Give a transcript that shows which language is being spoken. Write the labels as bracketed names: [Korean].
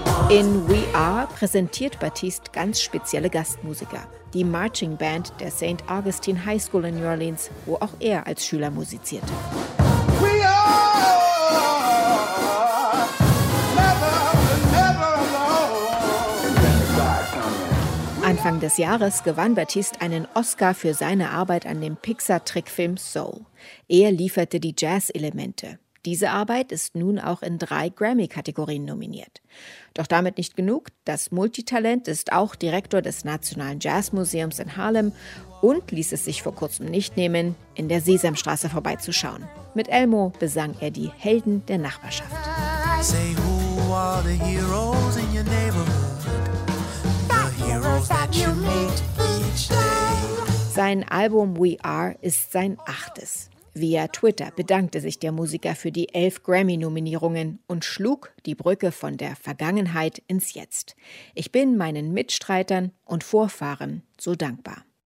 [German] In We Are präsentiert Batiste ganz spezielle Gastmusiker. Die Marching Band der St. Augustine High School in New Orleans, wo auch er als Schüler musizierte. [English] We are never, never alone. [German] Anfang des Jahres gewann Batiste einen Oscar für seine Arbeit an dem Pixar-Trickfilm Soul. Er lieferte die Jazz-Elemente. Diese Arbeit ist nun auch in 3 Grammy-Kategorien nominiert. Doch damit nicht genug, das Multitalent ist auch Direktor des Nationalen Jazzmuseums in Harlem und ließ es sich vor kurzem nicht nehmen, in der Sesamstraße vorbeizuschauen. Mit Elmo besang er die Helden der Nachbarschaft. [English] Say who are the heroes in your neighborhood? The heroes that you meet each day. [German] Sein Album We Are ist sein 8. Via Twitter bedankte sich der Musiker für die 11 Grammy-Nominierungen und schlug die Brücke von der Vergangenheit ins Jetzt. Ich bin meinen Mitstreitern und Vorfahren so dankbar.